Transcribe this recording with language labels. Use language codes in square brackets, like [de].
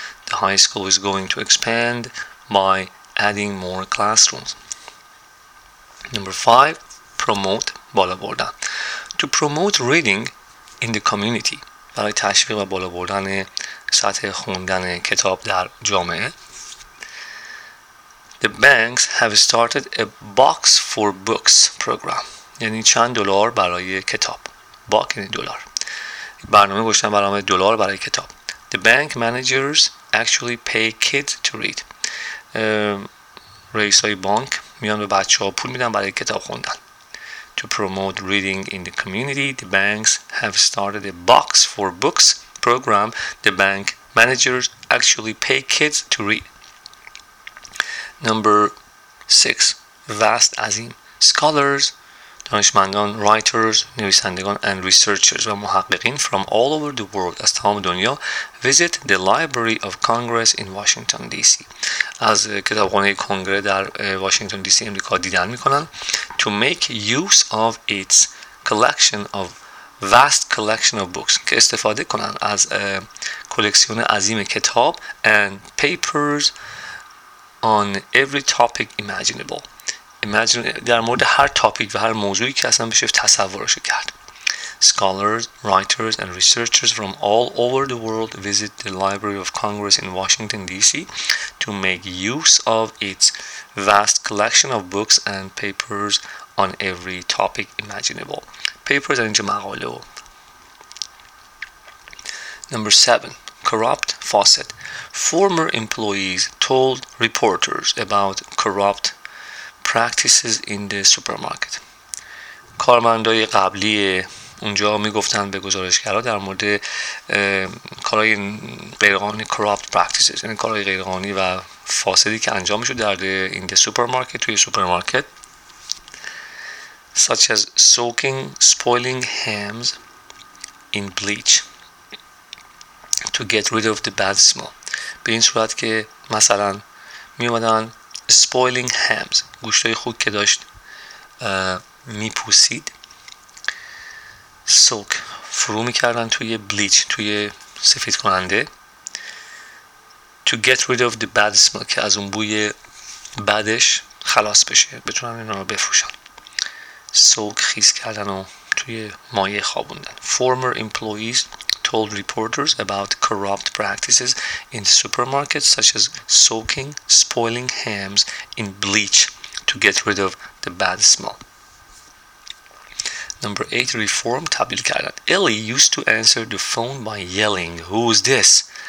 [en] The high school is going to expand by adding more classrooms. Number 5, promote, [fa] بالا بردن. [en] To promote reading in the community. [fa] برای تشویق و بالا بردن سطح خوندن کتاب در جامعه. [en] The banks have started a box for books program. [fa] یعنی چند دلار برای کتاب. باک یعنی دلار. برنامه گذاشتن برنامه دلار برای کتاب. [en] The bank managers actually pay kids to read. [fa] رئیس های بانک میان به بچه ها پول میدن برای کتاب خوندن. [en] To promote reading in the community, the banks have started a box for books program. The bank managers actually pay kids to read. Number 6, vast, عظیم. Scholars, دانشمندان, writers, نویسندگان, and researchers [fa] و محققین [en] from all over the world, [fa] از تمام دنیا, [en] visit the Library of Congress in Washington, D.C. [fa] از کتابخانه کنگره در واشنگتن دی سی امریکا دیدن میکنن, [en] to make use of its collection of vast collection of books, [fa] که استفاده کنن از کلکسیون عظیم کتاب, [en] and papers on every topic imaginable. [fa] در مورد هر تاپیک و هر موضوعی که اصلا بشه تصورش کرد. [en] Scholars, writers and researchers from all over the world visit the Library of Congress in Washington DC to make use of its vast collection of books and papers on every topic imaginable. Papers and مقاله. Number 7, corrupt, فاسد. Former employees told reporters about corrupt practices in the supermarket. [fa] کارمندای قبلی اونجا میگفتن به گزارشگرها در مورد کارهای غیرقانونی, [en] corrupt practices, [fa] یعنی کارهای غیرقانونی و فاسدی که انجام میشد در این سوپرمارکت, توی سوپرمارکت, [en] such as soaking spoiling hams in bleach to get rid of the bad smell. [fa] به این صورت که مثلا میومدن [en] spoiling hams, [fa] گوشتای خوک که داشت میپوسید, soak, فرو میکردن توی bleach, توی سفید کننده, [en] to get rid of the bad smell, [fa] که از اون بوی بدش خلاص بشه, بتونن اینا رو بفروشن. Soak, خیس کردن و توی مایه خوابوندن. [en] Former employees told reporters about corrupt practices in the supermarket, such as soaking spoiling hams in bleach to get rid of the bad smell. Number 8, reform, [fa] تبدیل کردن. [en] Ellie used to answer the phone by yelling, "Who's this?"